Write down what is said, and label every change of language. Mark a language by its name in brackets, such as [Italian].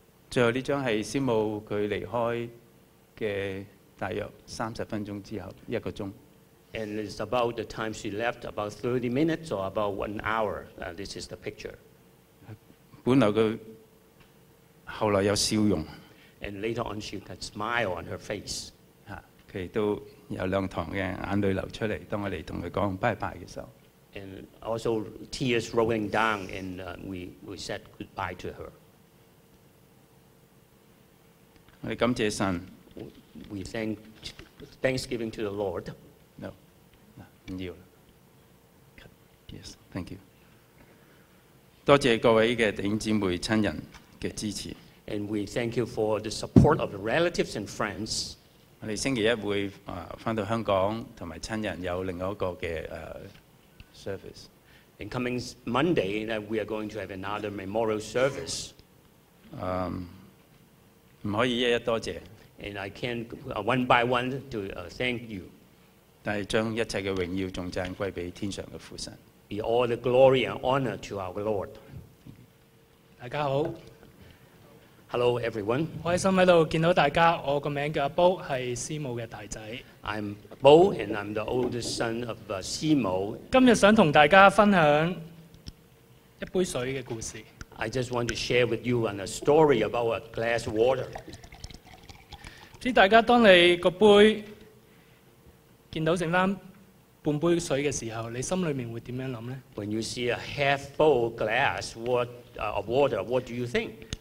[Cantonese] 最後這張是師母她離開的大約30分鐘之後一個小時 [English] and it's about the time she left about 30 minutes or about 1 hour this is the picture [Cantonese] 本來她後來有笑容 [English] and later on she had a smile on her face [Cantonese] 她都有兩行嘅眼淚流出嚟，當我哋同佢講拜拜嘅時候。 [English] And also tears rolling down, and we said goodbye to her. [Cantonese] 我哋感謝神。 [English] We thanksgiving to the Lord. No, [Cantonese] 唔要啦。 [English] Yes, thank you. [Cantonese] 多謝各位嘅弟兄姊妹親人嘅支持。 [English] And we thank you for the support of relatives and friends. [Cantonese] 我哋星期一會翻到香港，同埋親人有另外一個嘅service。 [English] In coming Monday, we are going to have another memorial service. [Cantonese] 唔可以一一多謝。 [English] And I can't one by one to thank you. [Cantonese] 但係將一切嘅榮耀仲讚歸俾天上嘅父神。 [English] Be all the glory and honor to our Lord. [Cantonese] 大家好。 [English] Hello, everyone. [Cantonese] 開心喺度見到大家。我個名叫阿波，係師母嘅大仔。 [English] I'm Bo, and I'm the oldest son of Simo. [Cantonese] 今日想同大家分享一杯水嘅故事。 [English] I just want to share with you a story about a glass of water. [Cantonese] 知大家當你個杯見到剩翻半杯水嘅時候，你心裏面會點樣諗咧 [English] ？When you see a half full glass of water, what do you think?